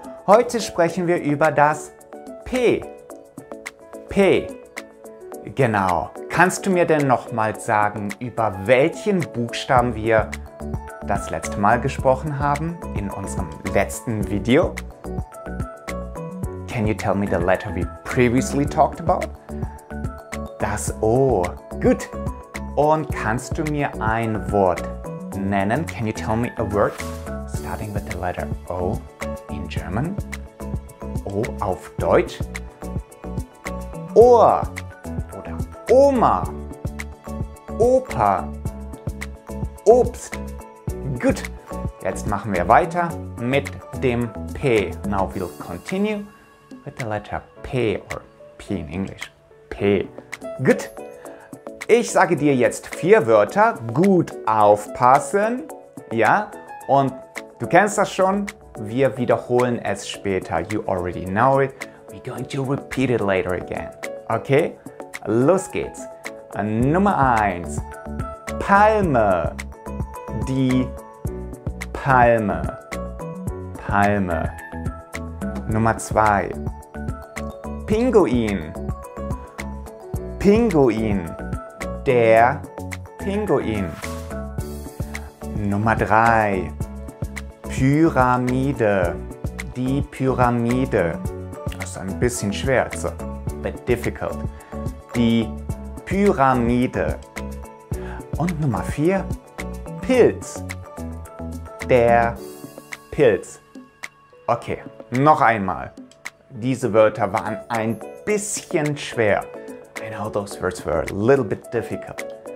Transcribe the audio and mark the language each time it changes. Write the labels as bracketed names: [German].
[German] Heute sprechen wir über das P. P. Genau. Kannst du mir denn nochmal sagen, über welchen Buchstaben wir das letzte Mal gesprochen haben in unserem letzten Video? [English] Can you tell me the letter we previously talked about? [German] Das O. Gut. Und kannst du mir ein Wort nennen? [English] Can you tell me a word starting with the letter O in German? [German] O auf Deutsch? Ohr oder Oma, Opa, Obst. Gut, jetzt machen wir weiter mit dem P. [English] Now we'll continue with the letter P or P in English. [German] P. Gut. Ich sage dir jetzt vier Wörter, gut aufpassen, ja, und du kennst das schon, wir wiederholen es später. [English] You already know it, we're going to repeat it later again. [German] Okay, los geht's. Nummer 1, Palme, die Palme, Palme. Nummer 2, Pinguin, Pinguin. Der Pinguin. Nummer 3. Pyramide. Die Pyramide. Das ist ein bisschen schwer. [English] It's a bit difficult. [German] Die Pyramide. Und Nummer 4. Pilz. Der Pilz. Okay, noch einmal. Diese Wörter waren ein bisschen schwer. [English] I know those words were a little bit difficult.